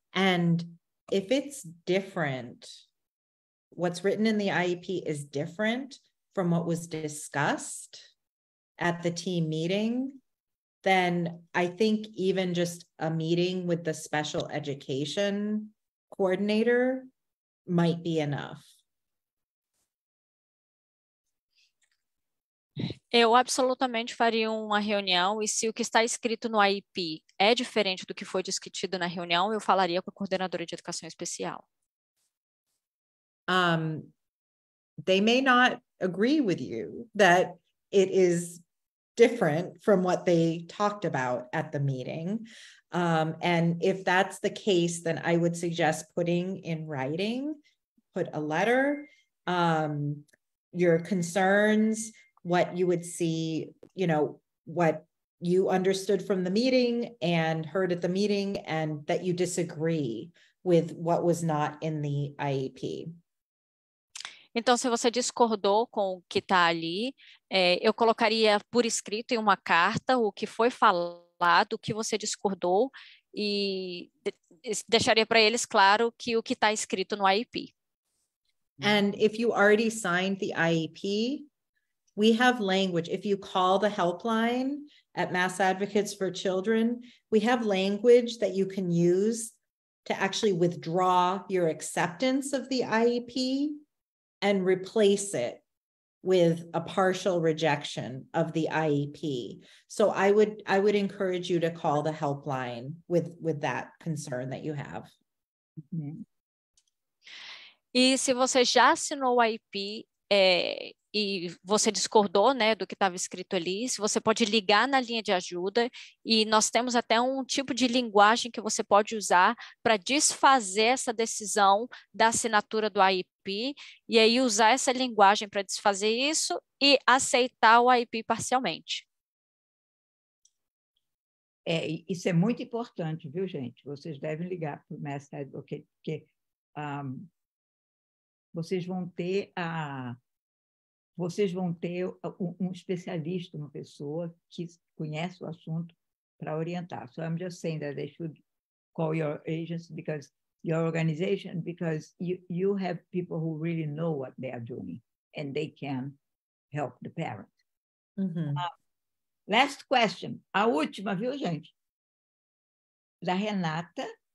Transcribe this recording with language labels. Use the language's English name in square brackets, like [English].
[English] And if it's different, what's written in the IEP is different from what was discussed at the team meeting, then I think even just a meeting with the special education coordinator might be enough. [Portuguese] Eu absolutamente faria uma reunião, e se o que está escrito no IEP é diferente do que foi discutido na reunião, eu falaria com a coordenadora de educação especial. [English] They may not agree with you that it is different from what they talked about at the meeting. And if that's the case, then I would suggest putting in writing, put a letter, your concerns, what you would see, you know, what you understood from the meeting and heard at the meeting, and that you disagree with what was not in the IEP. [Portuguese] Então, se você discordou com o que está ali, eu colocaria por escrito em uma carta o que foi falado, o que você discordou, e deixaria para eles claro que o que está escrito no IEP. [English] And if you already signed the IEP, we have language. If you call the helpline at Mass Advocates for Children, we have language that you can use to actually withdraw your acceptance of the IEP and replace it with a partial rejection of the IEP. So I would encourage you to call the helpline with that concern that you have. [Portuguese] Mm-hmm. E se você já assinou o IEP e você discordou, né, do que estava escrito ali, se você pode ligar na linha de ajuda, e nós temos até um tipo de linguagem que você pode usar para desfazer essa decisão da assinatura do IEP, e aí usar essa linguagem para desfazer isso e aceitar o IEP parcialmente. Isso é muito importante, viu, gente? Vocês devem ligar para o Master Advocate, porque vocês vão ter a... Vocês vão ter um especialista, uma pessoa que conhece o assunto para orientar. [English] So I'm just saying that they should call your agency, because your organization, because you have people who really know what they are doing and they can help the parent. Mm-hmm. Last question. [Portuguese] A última, viu, gente? Da Renata.